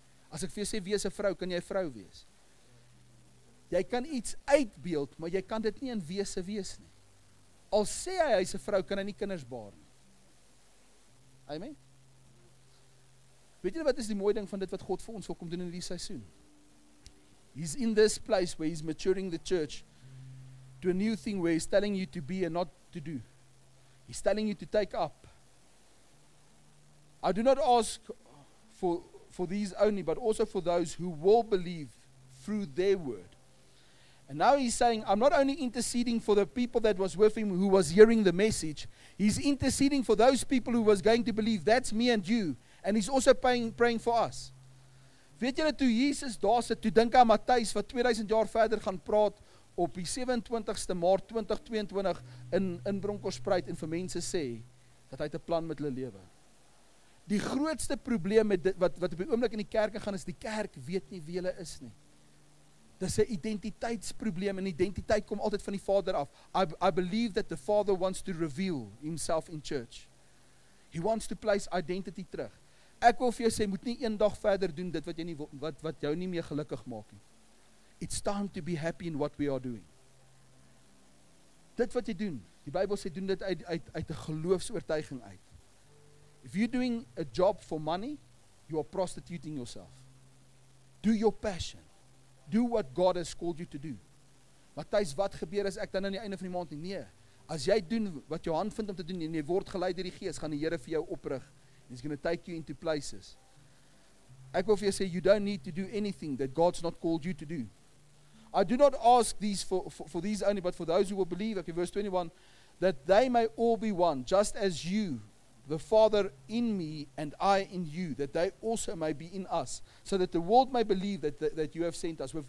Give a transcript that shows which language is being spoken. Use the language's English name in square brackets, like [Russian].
[Afrikaans] As ek vir jou sê, wees 'n vrou, kan jy 'n vrou wees? Jy kan iets uitbeeld, maar jy kan dit nie in wese wees nie. Al sê hy, hy's 'n vrou, kan hy nie kinders baar nie. Amen? Weet julle wat is die mooi ding van dit wat God vir ons wil kom doen in hierdie seisoen? [English] He's in this place where he's maturing the church to a new thing where he's telling you to be and not to do. He's telling you to take up. I do not ask for these only, but also for those who will believe through their word. And now he's saying, I'm not only interceding for the people that was with him who was hearing the message, he's interceding for those people who was going to believe. That's me and you. And he's also praying for us. [Afrikaans] Weet julle, toe Jesus daar sit, toe dink aan Matteus wat 2000 jaar verder gaan praat op die 27ste Maart 2022 in Bronkhorstspruit en vir mense sê dat hy 'n plan met hulle lewe. Die grootste probleem met dit, wat op die oomblik in die kerke gaan is, die kerk weet nie wie hulle is nie. Dis 'n identiteitsprobleem. En identiteit kom altyd van die Vader af. [English] I believe that the Father wants to reveal himself in church. He wants to place identity terug. [Afrikaans] Ek wil vir jou sê, moet nie een dag verder doen dit wat jy nie wat jou nie meer gelukkig maak nie. [English] It's time to be happy in what we are doing. [Afrikaans] Dit wat jy doen, die Bybel sê doen dit uit 'n geloofsoortuiging uit. [English] If you're doing a job for money, you are prostituting yourself. Do your passion. Do what God has called you to do. [Afrikaans] Maar tuis, wat gebeur as ek dan aan die einde van die maand nie? Nee, as jy doen wat jou hand vind om te doen en jy word gelei deur die Gees, gaan die Here vir jou oprig. [English] He's going to take you into places. [Afrikaans] Ek wil vir jou sê, [English] you don't need to do anything that God's not called you to do. I do not ask these for these only, but for those who will believe, okay, verse 21, that they may all be one, just as you, the Father in me and I in you, that they also may be in us, so that the world may believe that you have sent us.